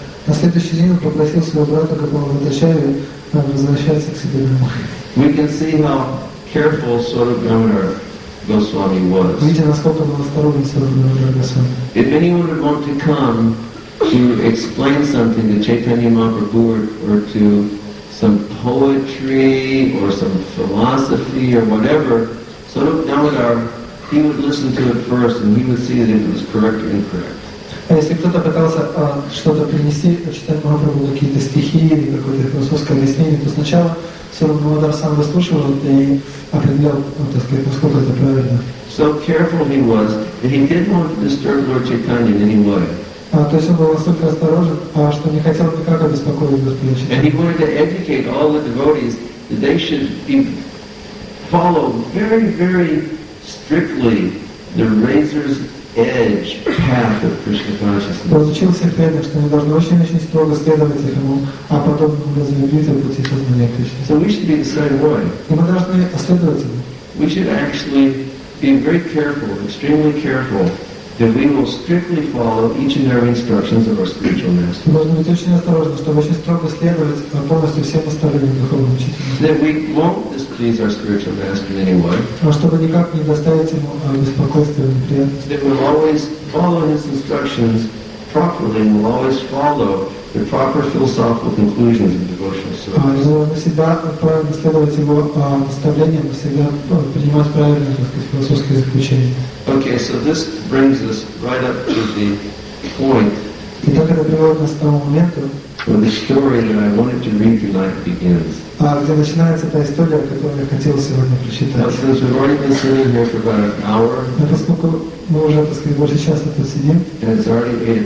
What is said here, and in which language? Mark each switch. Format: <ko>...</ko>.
<ru>На следующий день он попросил своего брата, которого Бхаттачарья, возвращаться к себе домой.</ru> <en>We can see how careful Сарупа Госвами was.</en> <ru>Видите, насколько он был осторожен Сарупа Госвами.</ru> <en>If anyone would want to come to explain something to Chaitanya Mahaprabhu or to some poetry or some philosophy or whatever, Сарупа Дамодара, he would listen to it first, and he would see if it was correct or incorrect.</en> <ru>Если кто-то пытался что-то принести, читать Махапрабху какие-то стихи или какое-то философское объяснение, то сначала Сарупа Дамодара сам выслушивал и определял, так сказать, насколько это правильно.</ru> <en>So careful he was, and he didn't want to disturb Lord Chaitanya in any way.</en> <ru>То есть он был настолько осторожен, что не хотел никак обеспокоить Господа Чайтанью.</ru> <en>And he wanted to educate all the devotees that they should be follow very, very strictly the razor's edge path of Krishna consciousness.</en> <ru>Получил всех преданных, что они должны очень-очень строго следовать этому, а потом разлюбить его пути сознания Кришны.</ru> <en>So we should be the same way.</en> <ru>И мы должны следовать ему.</ru> <en>We should actually be very careful, extremely careful, that we will strictly follow each and every instructions of our spiritual master.</en> <ru>Нужно быть очень осторожным, чтобы очень строго следовать полностью всем наставлениям духовного учителя.</ru> <en>That we won't displease our spiritual master in any way.</en> <ru>А чтобы никак не доставить ему беспокойства и неприятности.</ru> <en>That we'll always follow his instructions properly, and we'll always follow the proper philosophical conclusions of devotional service.</en> <ru>Нужно всегда правильно следовать его наставлениям, всегда принимать правильные, так сказать, философские заключения.</ru> <en>Okay, so this brings us right up to the point where the story that I wanted to read tonight begins. Now, since we've already been sitting here for about an hour, and it's already 8</en>